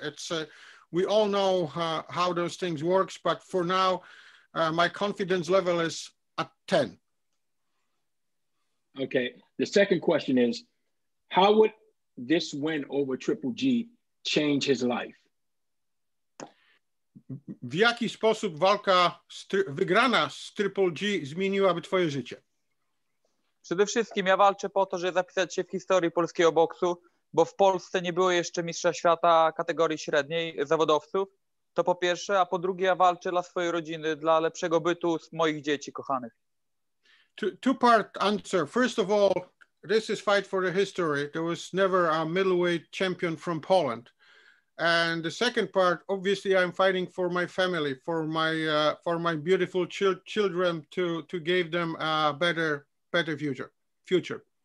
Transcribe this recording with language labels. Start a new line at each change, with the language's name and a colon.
English: It's we all know how those things works. But for now, my confidence level is at 10. Okay. The second question is, how would this win over Triple G change his life?
Polish: W jaki sposób walka wygrana z Triple G zmieniłaby twoje życie? Przede wszystkim ja walczę po to, żeby zapisać się w historii polskiego boksu, bo w Polsce nie było jeszcze mistrza świata kategorii średniej zawodowców. To po pierwsze, a po drugie ja walczę dla swojej rodziny, dla lepszego bytu z moich dzieci kochanych.
English: Two part answer. First of all, this is fight for the history. There was never a middleweight champion from Poland. And the second part, obviously, I'm fighting for my family, for my beautiful children to give them a better future.